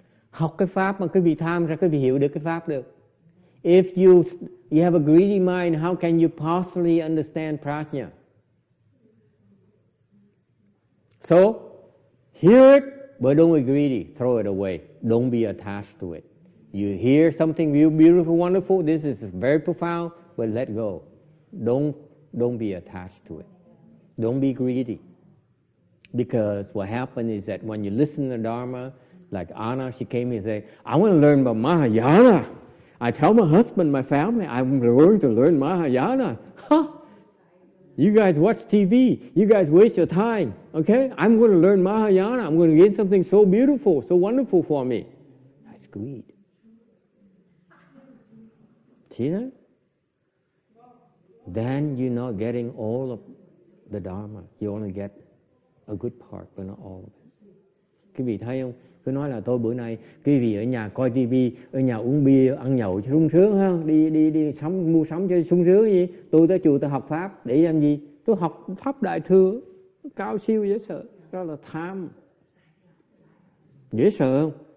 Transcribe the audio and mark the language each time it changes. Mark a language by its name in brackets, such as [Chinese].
[Vietnamese] Học cái pháp mà quý vị tham ra quý vị hiểu được cái pháp được. [English] If you have a greedy mind, how can you possibly understand prajna? So, hear it, but don't be greedy. Throw it away. Don't be attached to it. You hear something beautiful, wonderful, this is very profound, but let go. Don't be attached to it. Don't be greedy. Because what happens is that when you listen to Dharma, like Anna, she came and said, I want to learn about Mahayana. I tell my husband, my family, I'm going to learn Mahayana. Huh? You guys watch TV. You guys waste your time. Okay? I'm going to learn Mahayana. I'm going to gain something so beautiful, so wonderful for me. That's greed. See that? Then you're not getting all of the Dharma. You only get a good part, but not all of it. [Vietnamese] Quý vị thấy không? cứ nói là tôi bữa nay quý vị ở nhà coi tivi, ở nhà uống bia, ăn nhậu cho sung sướng ha, đi sắm mua sắm cho sung sướng gì, tôi tới chùa tôi học pháp để làm gì, tôi học pháp đại thừa cao siêu dễ sợ, đó là tham, dễ sợ không?